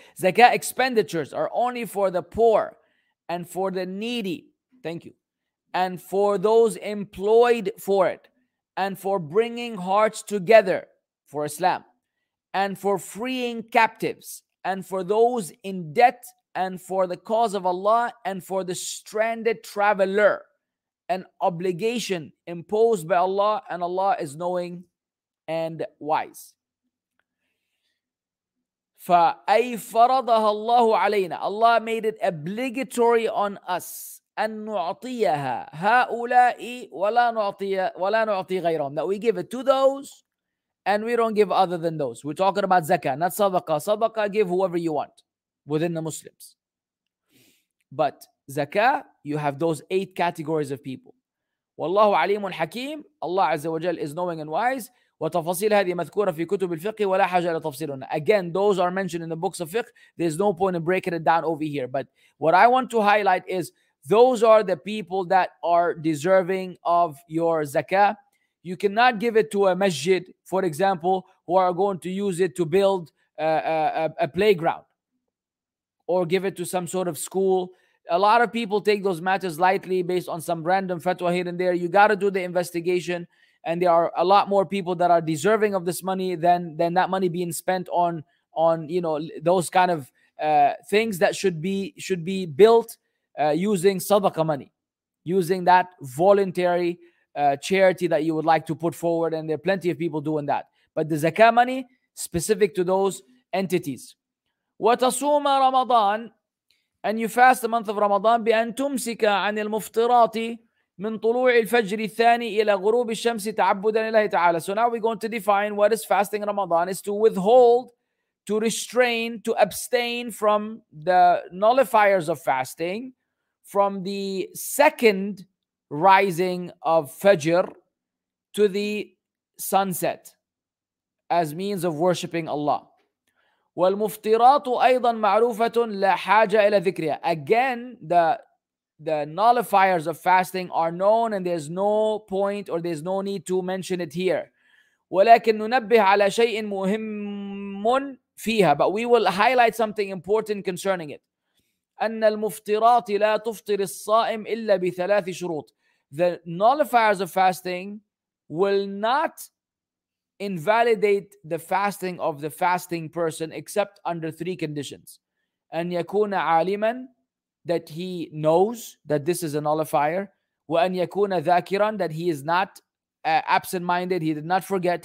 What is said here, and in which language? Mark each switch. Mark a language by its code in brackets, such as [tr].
[en] Zakat expenditures are only for the poor and for the needy, thank you, and for those employed for it, and for bringing hearts together for Islam, and for freeing captives, and for those in debt, and for the cause of Allah, and for the stranded traveler, an obligation imposed by Allah, and Allah is knowing and wise. [ar] فأي فرضها الله علينا. [en] Allah made it obligatory on us [ar] أن نعطيها هؤلاء ولا نعطي غيرهم. [en] That we give it to those and we don't give other than those. We're talking about zakah, not sadaqah. Sadaqah, give whoever you want within the Muslims. But zakah, you have those eight categories of people. Wallahu alimun hakim, Allah Azza wa Jal is knowing and wise. [ar] وتفاصيل هذه مذكورة في كتب الفقه ولا حاجة لتفصيلنا. [en] Again, those are mentioned in the books of fiqh. There's no point in breaking it down over here. But what I want to highlight is those are the people that are deserving of your zakah. You cannot give it to a masjid, for example, who are going to use it to build a playground or give it to some sort of school. A lot of people take those matters lightly based on some random fatwa here and there. You got to do the investigation. And there are a lot more people that are deserving of this money than that money being spent on you know, those kind of things that should be built using sadaqah money, using that voluntary charity that you would like to put forward. And there are plenty of people doing that. But the zakah money, specific to those entities. [ar] وَتَصُومَ رَمَضَانَ [en] And you fast the month of Ramadan [ar] بِأَن تُمْسِكَ عَنِ الْمُفْطِرَاتِ من طلوع الفجر الثاني إلى غروب الشمس تعبدا لله تعالى. [en] So now we're going to define what is fasting Ramadan is to withhold, to restrain, to abstain from the nullifiers of fasting, from the second rising of Fajr to the sunset as means of worshiping Allah. [ar] والمفطرات أيضا معروفة لا حاجة إلى ذكرها. [en] Again, the nullifiers of fasting are known and there's no point or there's no need to mention it here. [ar] ولكن ننبه على شيء مهم فيها. [en] But we will highlight something important concerning it. [ar] أن المفطرات لا تفطر الصائم إلا بثلاث شروط. [en] The nullifiers of fasting will not invalidate the fasting of the fasting person except under three conditions. [ar] أن يكون عالما, [en] that he knows that this is a nullifier. [ar] وَأَنْ يَكُونَ ذَاكِرًا, [en] that he is not absent-minded. He did not forget.